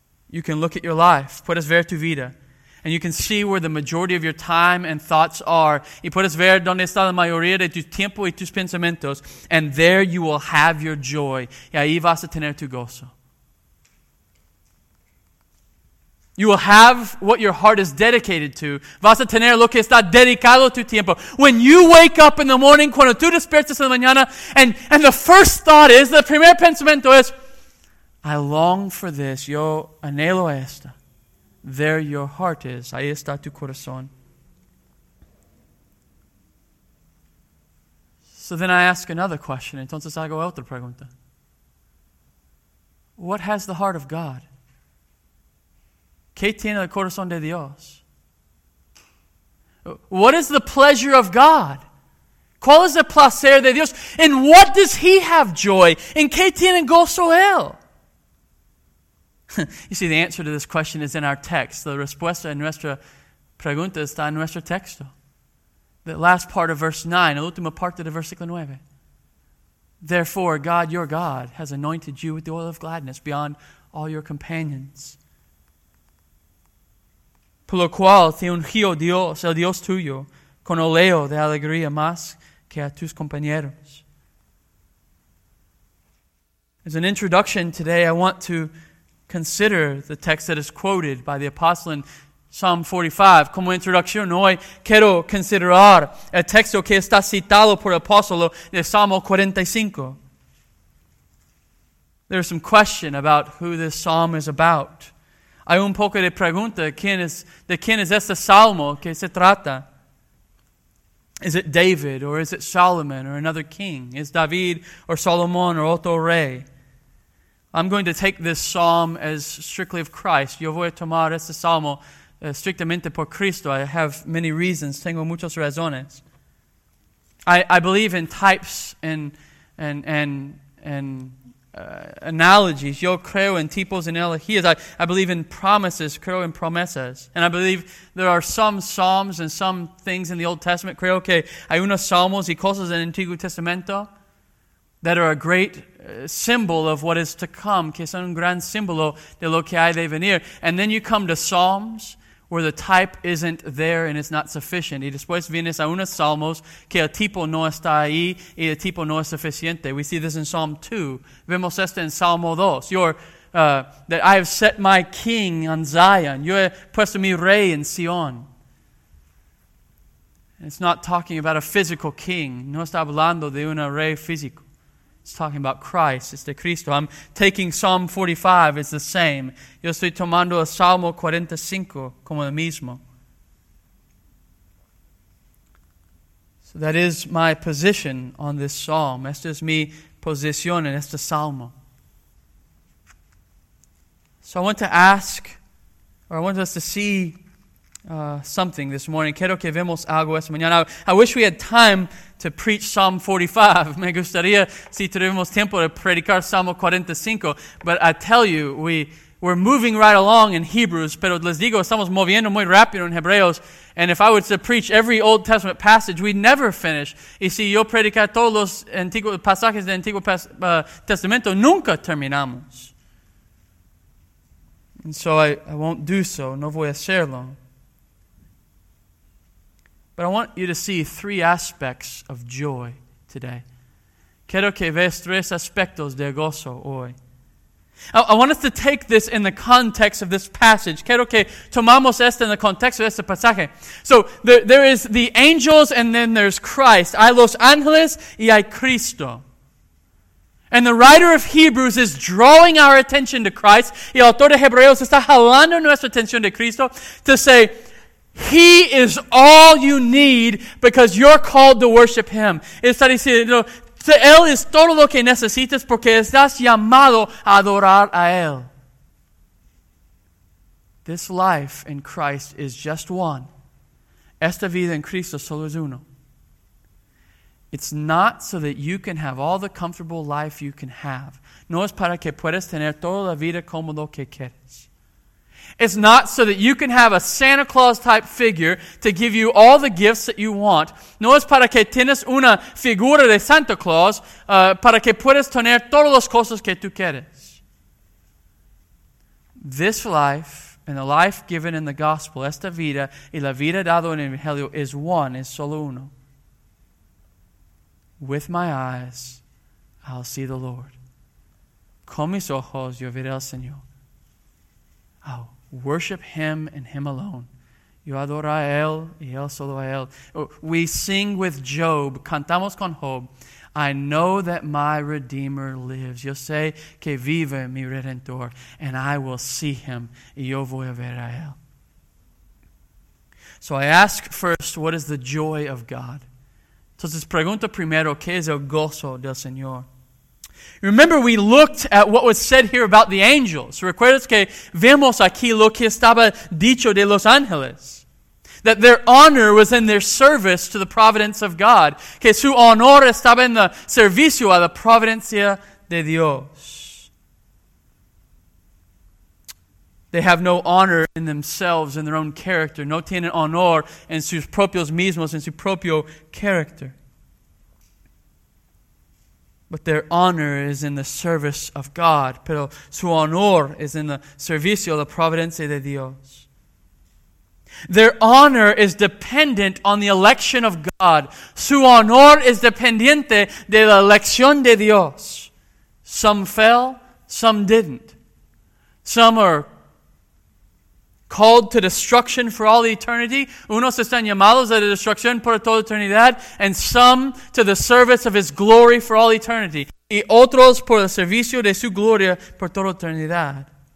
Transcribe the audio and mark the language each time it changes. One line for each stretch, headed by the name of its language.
English: You can look at your life,
Spanish: puedes ver tu vida,
English: and you can see where the majority of your time and thoughts are.
Spanish: Y puedes ver donde está la mayoría de tu tiempo y tus pensamientos,
English: and there you will have your joy.
Spanish: Y ahí vas a tener tu gozo.
English: You will have what your heart is dedicated to.
Spanish: Vas a tener lo que está dedicado tu tiempo.
English: When you wake up in the morning,
Spanish: cuando tú despiertas en la mañana,
English: and the first thought is, the
Spanish: primer pensamiento es,
English: I long for this,
Spanish: yo anhelo esta.
English: There your heart is.
Spanish: Ahí está tu corazón.
English: So then I ask another question.
Spanish: Entonces hago otra pregunta.
English: What has the heart of God?
Spanish: ¿Qué tiene el corazón de Dios?
English: What is the pleasure of God?
Spanish: ¿Cuál es el placer de Dios?
English: And what does He have joy?
Spanish: ¿En qué tiene gozo Él?
English: You see, the answer to this question is in our text. The
Spanish: respuesta en nuestra pregunta está en nuestro texto.
English: The last part of verse 9,
Spanish: la última parte de versículo 9.
English: Therefore, God, your God, has anointed you with the oil of gladness beyond all your companions.
Spanish: Por lo cual te ungió Dios, el Dios tuyo, con óleo de alegría más que a tus compañeros.
English: As an introduction today, I want to consider the text that is quoted by the apostle in Psalm 45.
Spanish: Como introducción, hoy quiero considerar el texto que está citado por el apóstolo de Salmo 45.
English: There is some question about who this psalm is about.
Spanish: Hay un poco de pregunta, ¿de quién es este salmo que se trata?
English: Is it David or is it Solomon or another king? Is David or Solomon or
Spanish: otro rey?
English: I'm going to take this psalm as strictly of Christ.
Spanish: Yo voy a tomar este salmo estrictamente por Cristo.
English: I have many reasons,
Spanish: tengo muchas razones.
English: I believe in types and analogies.
Spanish: Yo creo en tipos en elegías.
English: I believe in promises.
Spanish: Creo en promesas.
English: And I believe there are some psalms and some things in the Old Testament.
Spanish: Creo que hay unos salmos y cosas en el Antiguo Testamento
English: that are a great symbol of what is to come.
Spanish: Que son un gran símbolo de lo que hay de venir.
English: And then you come to psalms where the type isn't there and it's not sufficient.
Spanish: Y después vienes a unos salmos que el tipo no está ahí y el tipo no es suficiente.
English: We see this in Psalm 2.
Spanish: Vemos esto en Salmo 2.
English: That I have set my king on Zion.
Spanish: Yo he puesto mi rey en Sion.
English: It's not talking about a physical king.
Spanish: No está hablando de un rey físico.
English: It's talking about Christ. It's
Spanish: de Cristo.
English: I'm taking Psalm 45. It's the same.
Spanish: Yo estoy tomando el Salmo 45 como el mismo.
English: So that is my position on this psalm.
Spanish: Esta es mi posición en este salmo.
English: So I want to ask, or I want us to see something this morning.
Spanish: Quiero que vemos algo esta mañana.
English: I wish we had time to preach Psalm 45.
Spanish: Me gustaría si tuvimos tiempo de predicar Salmo 45.
English: But I tell you, we're moving right along in Hebrews.
Spanish: Pero les digo, estamos moviendo muy rápido en Hebreos.
English: And if I were to preach every Old Testament passage, we'd never finish.
Spanish: Y si yo predicar todos los antiguos pasajes del Antiguo Testamento, nunca terminamos.
English: And so I won't do so.
Spanish: No voy a hacerlo.
English: But I want you to see three aspects of joy today.
Spanish: Quiero que veas tres aspectos de gozo hoy.
English: I want us to take this in the context of this passage.
Spanish: Quiero que tomamos esto en el contexto de este pasaje.
English: So there is the angels and then there's Christ.
Spanish: Hay los ángeles y hay Cristo.
English: And the writer of Hebrews is drawing our attention to Christ.
Spanish: Y el autor de Hebreos está jalando nuestra atención de Cristo
English: to say, He is all you need because you're called to worship Him.
Spanish: Está diciendo, Él es todo lo que necesitas porque estás llamado a adorar a Él.
English: This life in Christ is just one.
Spanish: Esta vida en Cristo solo es uno.
English: It's not so that you can have all the comfortable life you can have.
Spanish: No es para que puedas tener toda la vida cómodo que quieres.
English: It's not so that you can have a Santa Claus type figure to give you all the gifts that you want.
Spanish: No es para que tienes una figura de Santa Claus para que puedas tener todas las cosas que tú quieres.
English: This life and the life given in the gospel,
Spanish: esta vida y la vida dado en el Evangelio
English: is one,
Spanish: es solo uno.
English: With my eyes, I'll see the Lord.
Spanish: Con mis ojos, yo veré al Señor.
English: Oh. Worship Him and Him alone.
Spanish: Yo adoro a Él y Él solo a Él.
English: We sing with Job.
Spanish: Cantamos con Job.
English: I know that my Redeemer lives.
Spanish: Yo sé que vive mi Redentor.
English: And I will see Him.
Spanish: Y yo voy a ver a Él.
English: So I ask first, what is the joy of God?
Spanish: Entonces pregunto primero, ¿qué es el gozo del Señor?
English: Remember, we looked at what was said here about the angels.
Spanish: Recuerdas que vemos aquí lo que estaba dicho de los ángeles.
English: That their honor was in their service to the providence of God.
Spanish: Que su honor estaba en el servicio a la providencia de Dios.
English: They have no honor in themselves, in their own character.
Spanish: No tienen honor en sus propios mismos, en su propio character.
English: But their honor is in the service of God.
Spanish: Pero su honor
English: is in the
Spanish: servicio, la providencia de Dios.
English: Their honor is dependent on the election of God.
Spanish: Su honor es dependiente de la elección de Dios.
English: Some fell, some didn't. Some are called to destruction for all eternity.
Spanish: Unos están llamados a la destrucción por toda eternidad.
English: And some to the service of His glory for all eternity.
Spanish: Y otros por el servicio de su gloria por toda eternidad.